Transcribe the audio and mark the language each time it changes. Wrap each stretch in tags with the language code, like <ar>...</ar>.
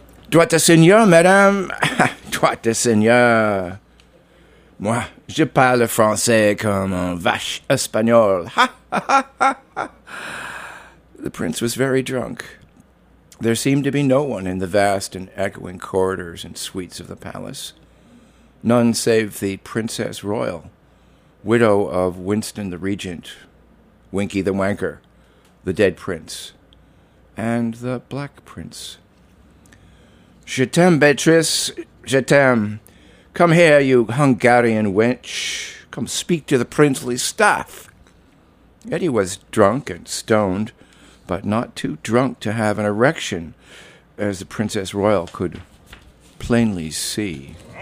<fr>Droit de seigneur, madame. Droit de seigneur. Moi, je parle français comme un vache espagnol. Ha, ha, ha, ha.</fr> <en>The prince was very drunk. There seemed to be no one in the vast and echoing corridors and suites of the palace. None save the Princess Royal, widow of Winston the Regent, Winky the Wanker, the dead prince, and the Black Prince.</en> <fr>Je t'aime, Beatrice, je t'aime.</fr> <en>Come here, you Hungarian wench. Come speak to the princely staff. Eddie was drunk and stoned, but not too drunk to have an erection, as the Princess Royal could plainly see.</en>